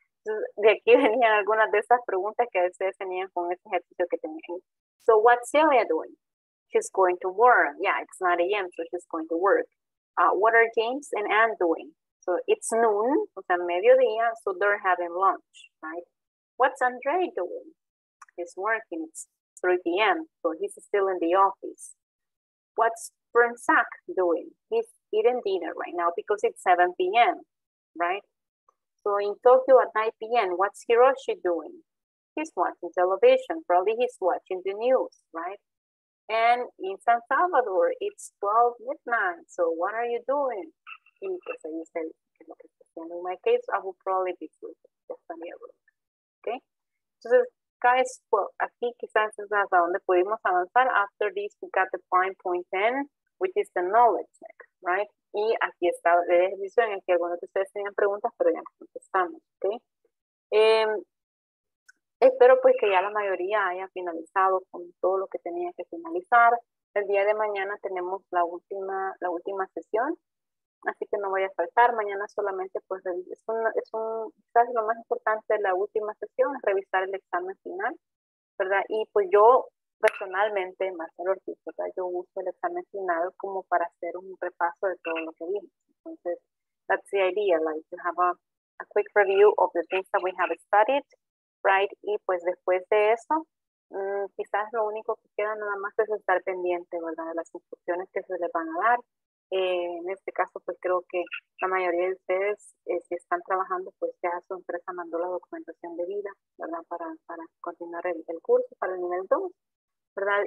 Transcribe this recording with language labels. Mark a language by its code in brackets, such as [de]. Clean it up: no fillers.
[es] De aquí venían algunas de esas preguntas que ustedes tenían con ese ejercicio que tenían. [en] So what's Celia doing? She's going to work. Yeah, it's 9 a.m., so she's going to work. What are James and Anne doing? So it's noon, [es] o sea, mediodía, [en] so they're having lunch, right? What's Andre doing? He's working, it's 3 p.m., so he's still in the office. What's Prinsak doing? He's eating dinner right now because it's 7 p.m., right? So in Tokyo at 9 p.m., what's Hiroshi doing? He's watching television, probably he's watching the news, right? And in San Salvador, it's 12 midnight, so what are you doing? In my case, I will probably be sleeping. Just in your room. Okay? So, guys, well, [es] aquí quizás es hasta donde pudimos avanzar. [en] After this, we got the fine point 10, which is the knowledge check, right? [es] Y aquí está el ejercicio en el que algunos de ustedes tenían preguntas, pero ya contestamos, okay? Espero pues que ya la mayoría haya finalizado con todo lo que tenía que finalizar. El día de mañana tenemos la última sesión. Así que no voy a faltar, mañana solamente pues quizás lo más importante de la última sesión es revisar el examen final, ¿verdad? Y pues yo personalmente, Marcelo Ortiz, ¿verdad? Yo uso el examen final como para hacer un repaso de todo lo que vimos. Entonces, [en] that's the idea, like to have a quick review of the things that we have studied, right? [es] Y pues después de eso, quizás lo único que queda nada más es estar pendiente, ¿verdad? De las instrucciones que se les van a dar. En este caso, pues creo que la mayoría de ustedes, si están trabajando, pues ya su empresa mandó la documentación de vida, ¿verdad? Para continuar el curso, para el nivel 2, ¿verdad?